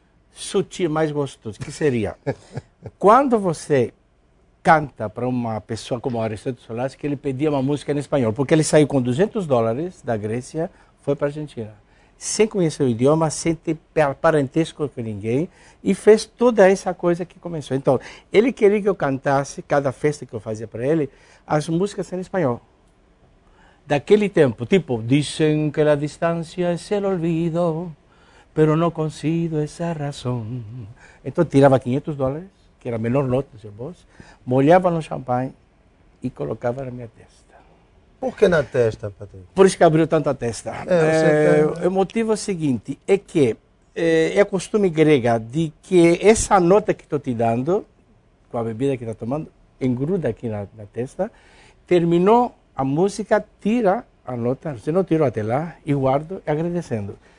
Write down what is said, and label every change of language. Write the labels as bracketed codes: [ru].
[pt] sutil, mais gostoso, que seria quando você canta para uma pessoa como Aristóteles Onassis, que ele pedia uma música em espanhol, porque ele saiu com $200 da Grécia, foi para a Argentina, sem conhecer o idioma, sem ter parentesco com ninguém, e fez toda essa coisa que começou. Então, ele queria que eu cantasse, cada festa que eu fazia para ele, as músicas em espanhol. Daquele tempo, tipo, [es] dicen que la distancia es el olvido, pero no consigo esa razón. [pt] Então tirava $500, que era a menor nota, seu bolso, molhava no champanhe e colocava na minha testa. Por que na testa, Patrick? Por isso que abriu tanto a testa. O motivo é o seguinte, é que é costume grega de que essa nota que estou te dando, com a bebida que está tomando, engruda aqui na testa, terminou a música, tira a nota, você não tirou até lá, e guardo agradecendo.